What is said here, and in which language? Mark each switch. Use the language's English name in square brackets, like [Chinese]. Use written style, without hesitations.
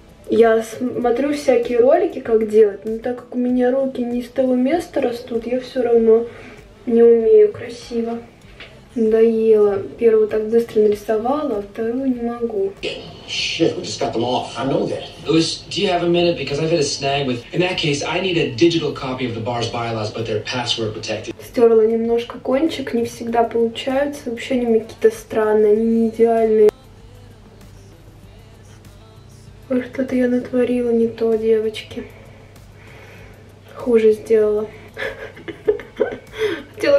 [Russian] Я смотрю всякие ролики, как делать, но так как у меня руки не с того места растут, я все равно... Не умею красиво. Надоело. Первую так быстро нарисовала, а вторую не могу. [English] Shit, we just got them off. I know that. Louis, do you have a minute? Because I've had a snag with... In that case, I need a digital copy of the bar's bylaws, but they're password protected. [Russian] Стерла немножко кончик, не всегда получаются. Вообще они какие-то странные, они не идеальные. Что-то я натворила не то, девочки. Хуже сделала. Хотела